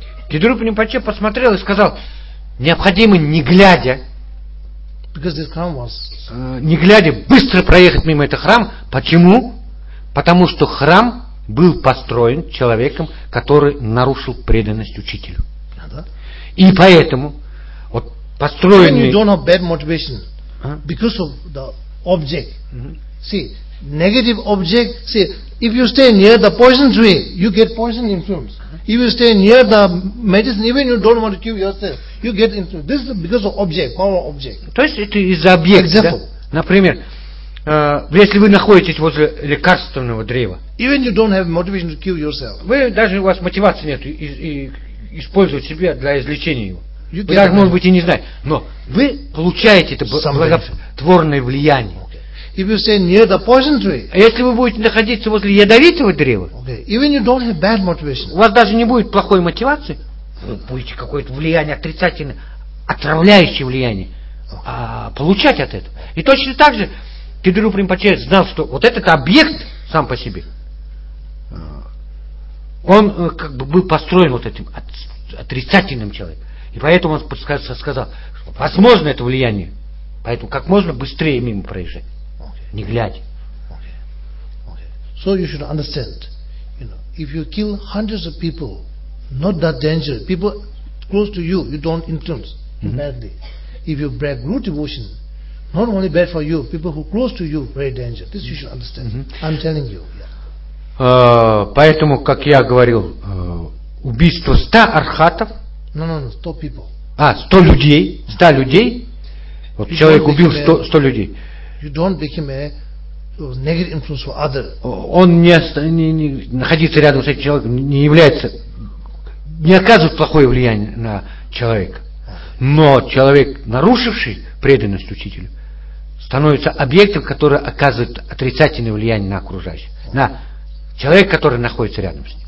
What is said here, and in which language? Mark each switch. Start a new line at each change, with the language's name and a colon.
Russian: Кедрупа Римпачи посмотрел и сказал, необходимо не глядя,
English: because this crown was...
Russian: не глядя, быстро проехать мимо этого храма. Почему? Потому что храм был построен человеком, который нарушил преданность учителю. И поэтому вот построенный...
English: When you don't have bad motivation because of the object. Mm-hmm. See, negative object, see, if you stay near the poison tree, you get poison influence. If you stay near the medicine, even you don't want to cure yourself, you get into this is because of object, power object.
Russian: То есть это из-за объекта. Да? Например, если вы находитесь возле лекарственного древа,
English: even you don't have motivation to cure yourself,
Russian: вы даже у вас мотивации нет и использовать себя для излечения его. You вы даже может быть и не знаете, но вы получаете это благотворное влияние.
English: If you stay near the poison tree,
Russian: а если вы будете находиться возле ядовитого древа,
English: okay. Even you don't have bad motivation,
Russian: у вас даже не будет плохой мотивации, вы будете какое-то влияние отрицательное, отравляющее влияние получать от этого. И точно так же Кедрупа Римпоче знал, что вот этот объект сам по себе, он как бы был построен вот этим отрицательным человеком. И поэтому он сказал, что возможно это влияние, поэтому как можно быстрее мимо проезжать. Не глядя.
English: Okay. Okay. So you should understand, you know, if you kill hundreds of people, not that dangerous. People close to you, you don't influence badly. If you break root devotion, not only bad for you, people who close to you very dangerous. This you should understand. I'm telling you. Yeah.
Russian: Поэтому, как я говорил, убийство 100 архатов.
English: No, 100 people.
Russian: 100 людей, 100 людей. Вот people человек убил 100 людей.
English: You don't become a negative influence for others.
Russian: Он не находится рядом с этим человеком, не является, не оказывает плохое влияние на человека. Но человек, нарушивший преданность учителю, становится объектом, который оказывает отрицательное влияние на окружающих, на человека, который находится рядом с ним.